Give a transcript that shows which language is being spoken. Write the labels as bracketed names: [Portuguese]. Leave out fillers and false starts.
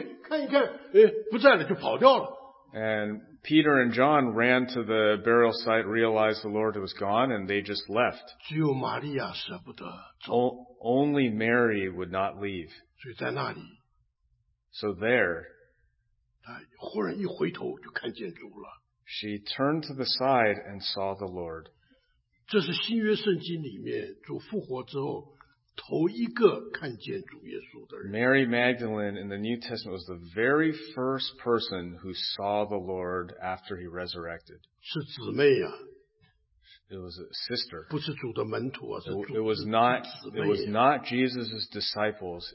[Chinese] 这个彼得、约翰两个也知道到那冲进去看一看，哎，不在了，就跑掉了。 [English] And Peter and John ran to the burial site, realized the Lord was gone, and they just left. [Chinese] 只有玛利亚舍不得走。 [English] Only Mary would not leave. [Chinese] 所以在那里, [English] so there, [Chinese] 忽然一回头就看见主了。 [English] She turned to the side and saw the Lord. [Chinese] 这是新约圣经里面主复活之后头一个看见主耶稣的人。 [English] Mary Magdalene in the New Testament was the very first person who saw the Lord after he resurrected. [Chinese] 是姊妹啊。 [English] It was a sister. [Chinese] 不是主的门徒啊, [English] it was not Jesus' disciples.